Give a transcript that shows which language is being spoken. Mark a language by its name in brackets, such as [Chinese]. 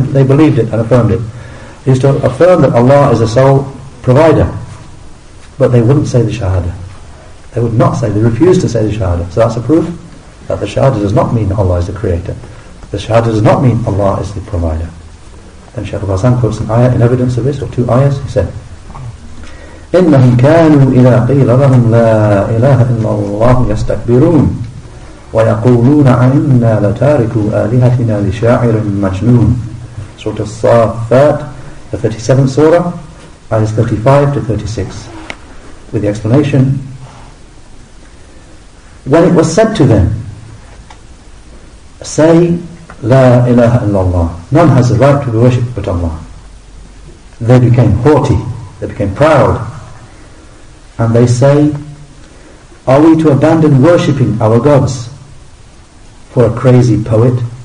[English] They believed it and affirmed it. They used to affirm that Allah is a sole provider. But they wouldn't say the Shahada. They would not say, they refused to say the Shahada. So that's a proof that the Shahada does not mean Allah is the creator. The Shahada does not mean Allah is the provider. Then Shaykh al-Fawzan quotes an ayah in evidence of this, or two ayahs, he said, [Arabic] إِنَّهُمْ كَانُوا إِذَا قِيلَ لَهُمْ لَا إِلَهَ إِلَّا اللَّهُ يَسْتَكْبِرُونَ وَيَقُولُونَ عَنَّا لَتَارِكُوا آلِهَتِنَا لِشَاعِرٍ مَجْنُونَ. Surah As-Saffat, the 37th surah, ayahs 35 to 36, with the explanation, when it was said to them, say, La ilaha illallah, none has the right to be worshipped but Allah, they became haughty, they became proud, and they say, are we to abandon worshipping our gods for a crazy poet?